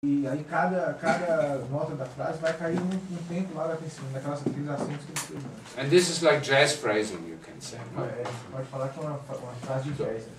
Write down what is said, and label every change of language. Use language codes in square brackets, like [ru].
[pt] E aí cada nota da frase vai cair num tempo lá daqueles acentos que eles têm. [en] And this is like jazz phrasing, you can say. No? [pt] É, pode falar que é uma frase de jazz.